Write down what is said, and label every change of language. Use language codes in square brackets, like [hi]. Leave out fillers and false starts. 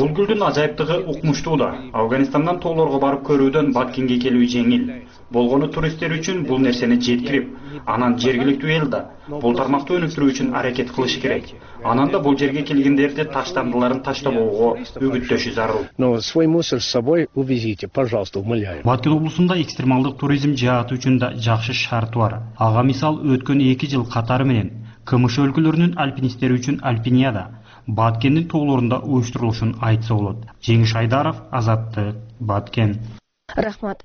[ky] Бул гүлдүн ажайыптыгы укмуштуу да. Афганистандан тоолорго барып көрүүдөн Баткенге келүү жеңил. Болгону туристтер үчүн бул нерсени жеткирип, анан жергиликтүү эл да бул тармакты өнүктүрүү үчүн аракет кылыш керек. Анан да бул жерге келгендерди таштандыларын таштабоого үгүттөшү зарыл. [ru] Но свой мусор с собой увезите, пожалуйста, умоляю. [ky] Баткен облусунда экстремалдык туризм жааты үчүн да жакшы шарт бар. Ага мисал өткөн 2 жыл катары менен КМШ өлкөлөрүнүн альпинисттери үчүн альпиниада Баткендин тоолорунда уюштурулушун айтса болот. Жеңиш Айдаров, Азаттык, Баткен. Рахмат.